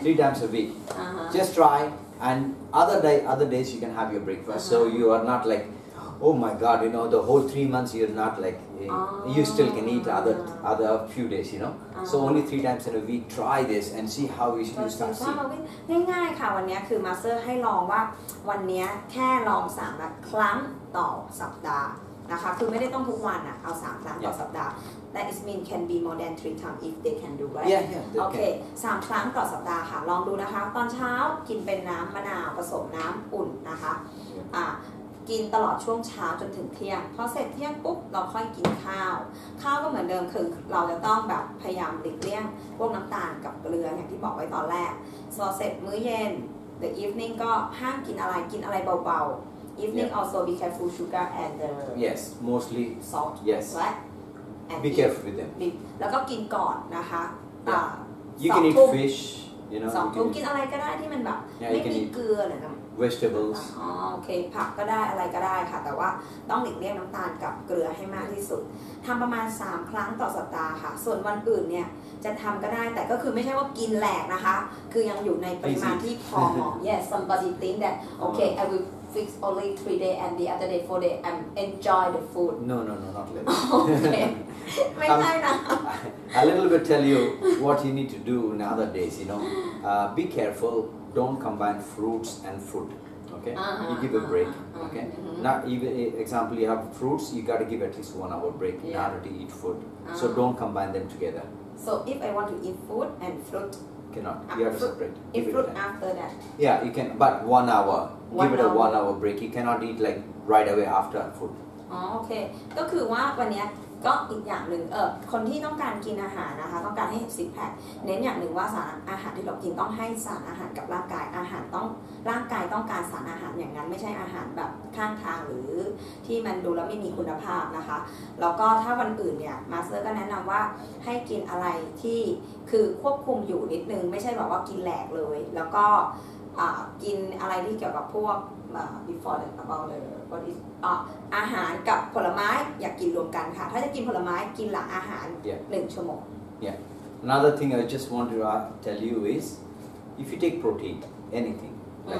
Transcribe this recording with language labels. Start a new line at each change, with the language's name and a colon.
English: 3 times a week. Uh-huh. Just try. And other days you can have your breakfast. Uh-huh. So you are not like... Oh my God! You know the whole 3 months you're not like you still can eat other few days. You know, so only 3 times in a week. Try this and see how you start.
Thai: ง่ายๆค่ะวันนี้คือมาสเตอร์ให้ลองว่าวันนี้แค่ลอง3ครั้งต่อสัปดาห์นะคะคือไม่ได้ต้องทุกวันอ่ะเอา3ครั้งต่อสัปดาห์
English: That is mean can be more than 3 times if they can do right. Yeah. Okay.
Thai: 3 ครั้งต่อสัปดาห์ค่ะลองดูนะคะตอนเช้ากินเป็นน้ำมะนาวผสมน้ำอุ่นนะคะกินตลอดช่วงเช้าจนถึงเที่ยงพอเสร็จเที่ยงปุ๊บเราค่อยกินข้าวข้าวก็เหมือนเดิมคือเราจะต้องแบบพยายามหลีกเลี่ยงพวกน้ำตาลกับเกลืออย่างที่บอกไว้ตอนแรกพอเสร็จมื้อเย็น
English: the evening
Thai: ก็ห้ามกินอะไรกินอะไรเบาๆ evening
English: yeah. also be careful sugar and the yes mostly salt yes right and be careful with them
Thai: แล้วก็กินก่อนนะคะ
English: you can eat fishYou know,
Thai: สองทุ่มกินอะไรก็ได้ที่มันแบบ
English: yeah,
Thai: ไม่มีเกลือหรือน้ำ
English: vegetables
Thai: อ๋อโอเคผักก็ได้อะไรก็ได้ค่ะแต่ว่าต้องหลีกเลี่ยงน้ำตาลกับเกลือให้มากที่สุดทำประมาณ3ครั้งต่อสัปดาห์ค่ะส่วนวันอื่นเนี่ยจะทำก็ได้แต่ก็คือไม่ใช่ว่ากินแหลกนะคะคือยังอยู่ในปริมาณที่พอเหมาะ
English: yes somebody think that okay I will fix only 3 days and the other day 4 days I'm enjoy the food no not really
Thai: okay ไม่ใช่นะ
English: A little bit tell you what you need to do in other days, you know. Be careful, don't combine fruits and food, okay? Uh-huh, you give a break, okay? Uh-huh. Not even, example, you have fruits, you got to give at least 1 hour break yeah. in order to eat food. Uh-huh. So don't combine them together. So if I want to eat food and fruit, cannot. You have to separate. If fruit after that. Yeah, you can, but 1 hour. Give it a 1 hour break. You cannot eat like right away after food.
Thai: อ๋อโอเคก็คือว่าวันนี้ก็อีกอย่างหนึ่งคนที่ต้องการกินอาหารนะคะต้องการให้ซิกแพคเน้นอย่างหนึ่งว่าสารอาหารที่เรากินต้องให้สารอาหารกับร่างกายอาหารต้องร่างกายต้องการสารอาหารอย่างนั้นไม่ใช่อาหารแบบข้างทางหรือ ที่มันดูแล้วไม่มีคุณภาพนะคะแล้วก็ถ้าวันอื่นเนี่ยมาสเตอร์ก็แนะนำว่าให้กินอะไรที่คือควบคุมอยู่นิดนึงไม่ใช่แบบว่ากินแหลกเลยแล้วก็กินอะไรที่เกี่ยวกับพวก
English: before the about the what is
Thai: อาหารกับผลไม้อย่ากินรวมกันค่ะถ้าจะกินผลไม้กินหลังอาหาร1ชั่วโมง
English: yeah another thing I just want to tell you is if you take protein anything like